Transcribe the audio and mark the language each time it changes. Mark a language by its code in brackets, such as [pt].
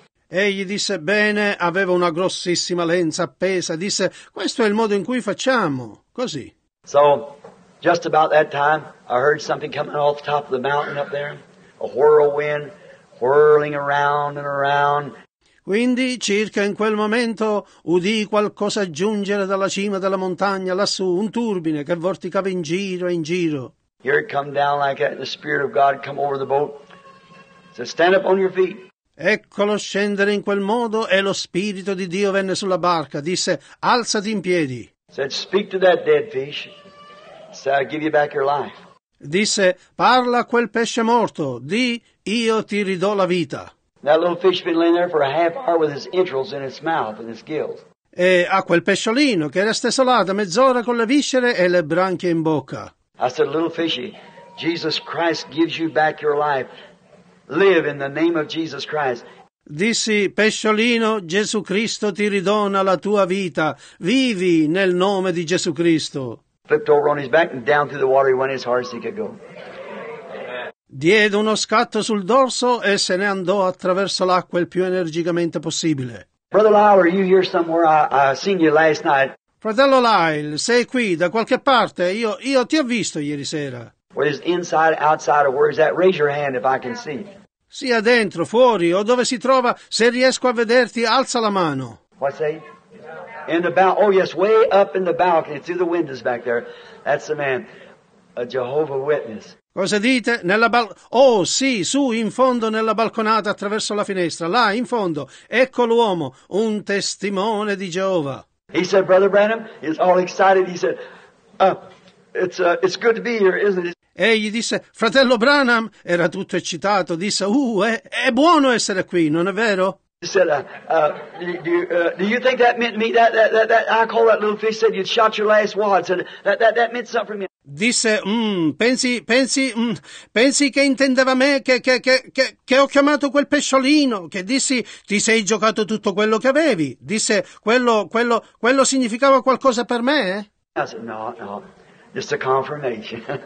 [it] Egli disse, bene, aveva una grossissima lenza appesa, disse, questo è il modo in cui facciamo, così. [en] So, just about that time, I heard something coming off the top of the mountain up there, a whirlwind, whirling around and around. [it] Quindi, circa in quel momento, udì qualcosa giungere dalla cima della montagna, lassù, un turbine che vorticava in giro e in giro. [en] Here it come down like that, the Spirit of God come over the boat. So stand up on your feet. [it] Eccolo scendere in quel modo, e lo Spirito di Dio venne sulla barca, disse, alzati in piedi. [en] Said, speak to that dead fish, say, I'll give you back your life. [it] Disse, parla a quel pesce morto, di, io ti ridò la vita. [en] That little fish been laying there for a half hour with his entrails in its mouth and its gills. [it] E a quel pesciolino che era stesso là da mezz'ora con le viscere e le branchie in bocca. [en] I said, little fishy, Jesus Christ gives you back your life. Live in the name of Jesus Christ. [it] Dissi, pesciolino, Gesù Cristo ti ridona la tua vita. Vivi nel nome di Gesù Cristo. [en] Flipped over on his back and down through the water he went as hard as he could go. [it] Diede uno scatto sul dorso e se ne andò attraverso l'acqua il più energicamente possibile. [en] Brother Lyle, are you here somewhere? I seen you last night. [it] Fratello Lyle, sei qui da qualche parte? Io ti ho visto ieri sera. [en] Where is inside, outside, or where is that? Raise your hand if I can see. [it] Sia dentro, fuori o dove si trova, se riesco a vederti, alza la mano. [en] What say? In the bow. Oh yes, way up in the balcony, through the windows back there. That's the man, a Jehovah Witness. [it] Cosa dite? Oh, sì, su, in fondo, nella balconata, attraverso la finestra. Là, in fondo, ecco l'uomo, un testimone di Geova. [en] He said, Brother Branham, he's all excited. He said, it's good to be here, isn't it? [it] Egli disse, fratello Branham, era tutto eccitato, disse, è buono essere qui, non è vero? [en] He said, do you think that meant me, that I call that little fish, said you'd shot your last wad, said, that meant something for me. [it] Disse, pensi che intendeva me, che ho chiamato quel pesciolino, che dissi, ti sei giocato tutto quello che avevi. Disse, quello significava qualcosa per me? [en] I said, no, just a confirmation.